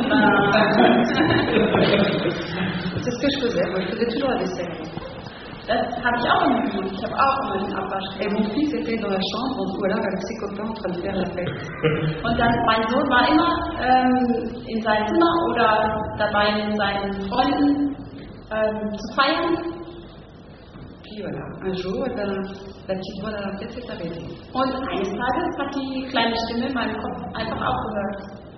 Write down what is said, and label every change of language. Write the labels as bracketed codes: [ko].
[fr] C'est ce que je faisais, moi je faisais toujours la vaisselle. Et mon fils était dans la chambre, en tout cas, avec ses copains en train de faire la fête. [de] Und dann mein Sohn war immer in seinem Zimmer oder dabei mit seinen Freunden zu feiern. [fr] Puis voilà, un jour, dann, la petite voix dans la tête s'est arrêtée. [de] Und eines Tages hat die kleine Stimme in meinem Kopf einfach aufgehört.